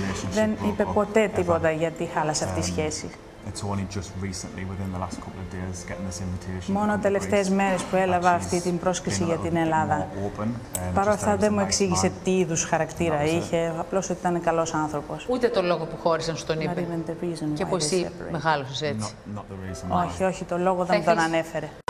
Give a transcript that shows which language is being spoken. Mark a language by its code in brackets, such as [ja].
[el] Δεν είπε ποτέ τίποτα γιατί χάλασε αυτή η σχέση. [en] It's only just recently, within the last couple of days, getting this invitation. [el] Μόνο τελευταίες μέρες που έλαβα αυτή την πρόσκληση για την Ελλάδα. Παρ' όλα αυτά δεν μου εξήγησε τι είδους χαρακτήρα είχε, απλώς ότι ήταν καλός άνθρωπος. Ούτε το λόγο που χώρισαν σου τον είπε? Και πως εσύ μεγάλωσες έτσι? Όχι, όχι, το λόγο δεν τον ανέφερε.